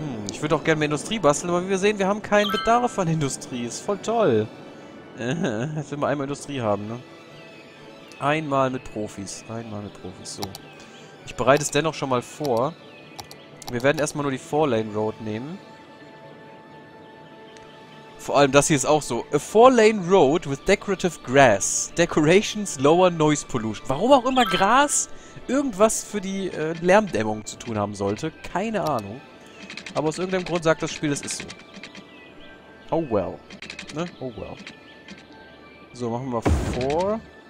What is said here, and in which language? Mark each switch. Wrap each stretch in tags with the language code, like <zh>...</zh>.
<de>Ich würde auch gerne mehr Industrie basteln, aber wie wir sehen, wir haben keinen Bedarf an Industrie. Ist voll toll. Jetzt will man einmal Industrie haben, ne? Einmal mit Profis. Einmal mit Profis, so. Ich bereite es dennoch schon mal vor. Wir werden erstmal nur die Four-Lane Road nehmen. Vor allem das hier ist auch so.</de> <en>A Four-Lane Road with decorative grass. Decorations lower noise pollution.</en> <de>Warum auch immer Gras irgendwas für die Lärmdämmung zu tun haben sollte. Keine Ahnung. Aber aus irgendeinem Grund sagt das Spiel, das ist so.</de> <en>Oh well.</en> <de>Ne? Oh well. So, machen wir vor.</de>